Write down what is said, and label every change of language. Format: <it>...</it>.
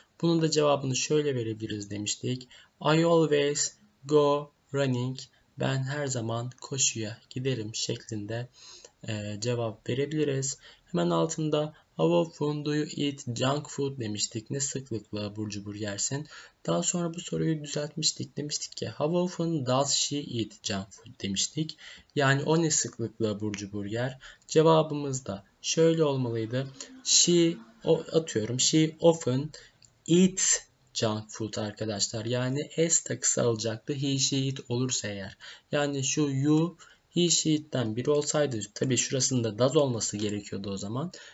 <tr>Bunun da cevabını şöyle verebiliriz demiştik.</tr> <en>I always go running.</en> <tr>Ben her zaman koşuya giderim şeklinde cevap verebiliriz. Hemen altında</tr> <en>how often do you eat junk food</en> <tr>demiştik. Ne sıklıkla burcubur yersin. Daha sonra bu soruyu düzeltmiştik. Demiştik ki</tr> <en>how often does she eat junk food</en> <tr>demiştik. Yani o ne sıklıkla burcubur yer. Cevabımız da şöyle olmalıydı.</tr> <en>She,</en> <tr>o, atıyorum,</tr> <en>she often eats junk food</en> <tr>arkadaşlar. Yani s takısı alacaktı he she it olursa eğer. Yani şu you he she it'ten biri olsaydı tabii şurasında does olması gerekiyordu o zaman.</tr>